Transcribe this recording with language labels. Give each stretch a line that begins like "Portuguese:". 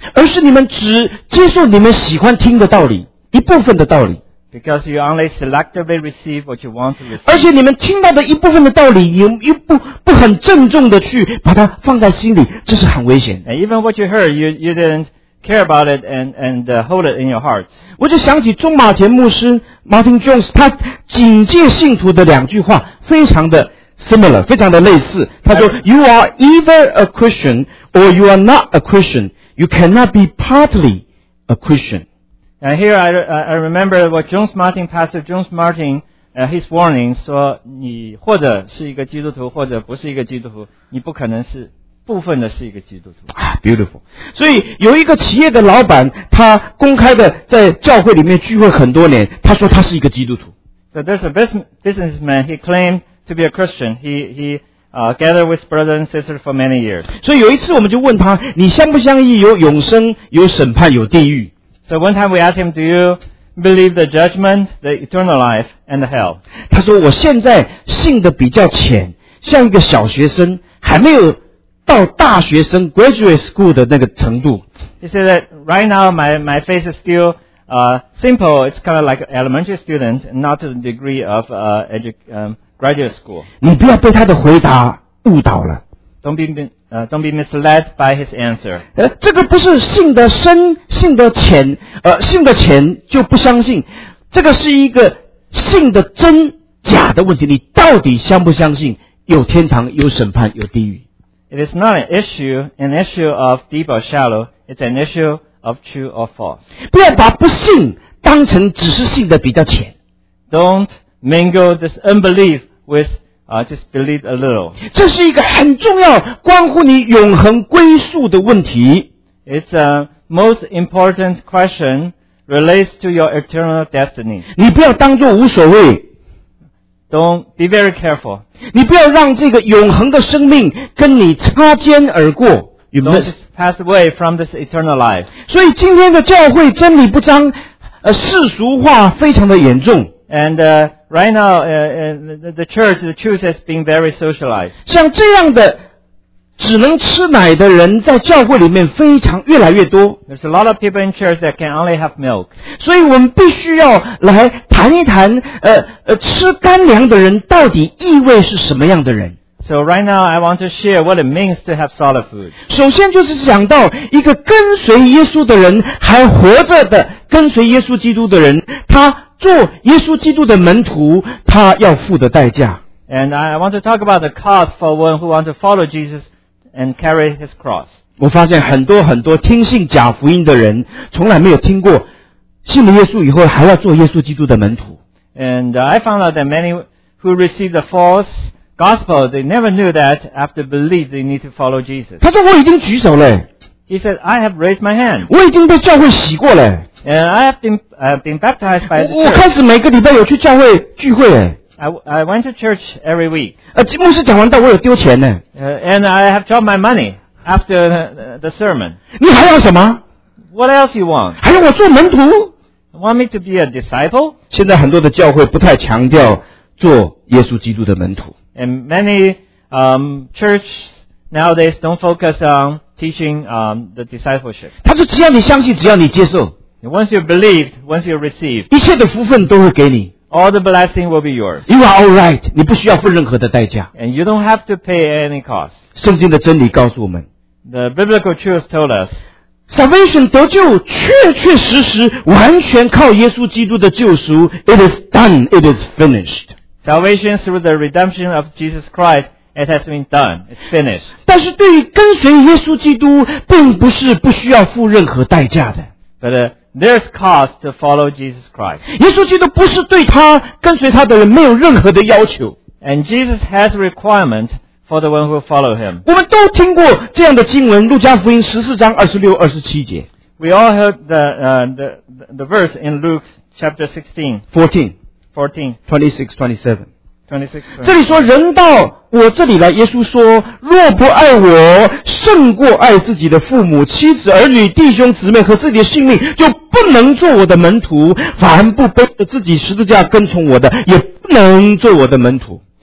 Chinese: 而是你们只接受你们喜欢听的道理。一部分的道理。
English: Because you only selectively receive what you want to receive.
Chinese: 而且你们听到的一部分的道理，你又不很郑重的去把它放在心里，这是很危险。
English: And even what you heard, you didn't care about it and hold it in your heart.
Chinese: 我就想起中马田牧师 Martin Jones, 他警戒信徒的两句话，非常的
English: similar,
Chinese: 非常的类似。他说
English: ,You are either a Christian or you are not a Christian. You cannot be partly a Christian. And here I remember what Jones Martin, Pastor Jones Martin, his warning,
Chinese: 说你或者是一个基督徒或者不是一个基督徒，你不可能是部分的是一个基督徒。
English: Beautiful.
Chinese: 所以有一个企业的老板，他公开的在教会里面聚会很多年，他说他是一个基督徒。
English: So there's a businessman, he claimed to be a Christian. He gathered with brothers and sisters for many years.
Chinese: 所以有一次我们就问他，你相不相信有永生、有审判、有地狱？
English: So one time we asked him, do you believe the judgment, the eternal life, and the hell?
Chinese: 他说我现在信的比较浅，像一个小学生，还没有到大学生
English: graduate school
Chinese: 的那个程度。
English: He said that right now my faith is still simple, it's kind of like an elementary student, not to the degree of graduate school.
Chinese: 你不要被他的回答误导了。
English: Don't be misled by his answer.
Chinese: 这个不是信得深信得浅信得浅就不相信。这个是一个信得真假的问题。你到底相不相信有天堂有审判有地狱。
English: It is not an issue of deep or shallow. It's an issue of true or false.
Chinese: 不要把不信当成只是信得比较浅。
English: Don't mingle this unbelief with just believe a little.
Chinese: 这是一个很重要关乎你永恒归宿的问题。
English: It's a most important question relates to your eternal destiny.
Chinese: 你不要当作无所谓。
English: Don't be very careful.
Chinese: 你不要让这个永恒的生命跟你擦肩而过。
English: You must. Don't just pass away from this eternal life.
Chinese: 所以今天的教会真理不彰，世俗化非常的严重。
English: And right now, the church, the truth has been very socialized.
Chinese: 像这样的只能吃奶的人在教会里面非常越来越多。
English: There's a lot of people in church that can only have milk.
Chinese: 所以我们必须要来谈一谈吃干粮的人到底意味是什么样的人。
English: So right now I want to share what it means to have solid food.
Chinese: 首先就是讲到一个跟随耶稣的人还活着的跟随耶稣基督的人他做耶稣基督的门徒他要付的代价。
English: And I want to talk about the cost for one who wants to follow Jesus and carry his cross.
Chinese: 我发现很多很多听信假福音的人从来没有听过信了耶稣以后还要做耶稣基督的门徒。
English: And I found out that many who received the false gospel, they never knew that after belief they need to follow Jesus.
Chinese: 他说我已经举手了。
English: He said, I have raised my hand.
Chinese: 我已经被教会洗过了。
English: And I have been baptized by the church.
Chinese: 我开始每个礼拜有去教会聚会了。
English: I went to church every week.
Chinese: 牧师讲完道我有丢钱呢。
English: And I have dropped my money after the sermon.
Chinese: 你还要什么
English: ?What else you want?
Chinese: 还要我做门徒
English: ?Want me to be a disciple?
Chinese: 现在很多的教会不太强调做耶稣基督的门徒。
English: And many, church nowadays don't focus on teaching, the discipleship.
Chinese: 他说只要你相信只要你接受。
English: Once you believe, once you receive,
Chinese: 一切的福分都会给你。
English: All the blessing will be yours. You are alright.
Chinese: 你不需要付任何的代价。
English: And you don't have to pay any cost.
Chinese: 圣经的真理告诉我们。
English: The biblical truth told us.
Chinese: Salvation 得救确确实实完全靠耶稣基督的救赎。
English: It is done. It is finished. Salvation through the redemption of Jesus Christ, it has been done. It's finished.
Chinese: 但是对于跟随耶稣基督并不是不需要付任何代价的。
English: But,There's cost to follow Jesus Christ.
Chinese: 耶稣基督不是对他跟随他的人没有任何的要求。
English: And Jesus has a requirement for the one who follow him.
Chinese: 我们都听过这样的经文，路加福音14章26、27节。
English: We all heard the verse in Luke chapter
Chinese: 16:14-27. 这里说人到我这里来，耶稣说，若不爱我，胜过爱自己的父母、妻子、儿女、弟兄、姊妹和自己的性命，就不能做我的门徒。凡不背着自己十字架跟从我的，也不能做我的门徒。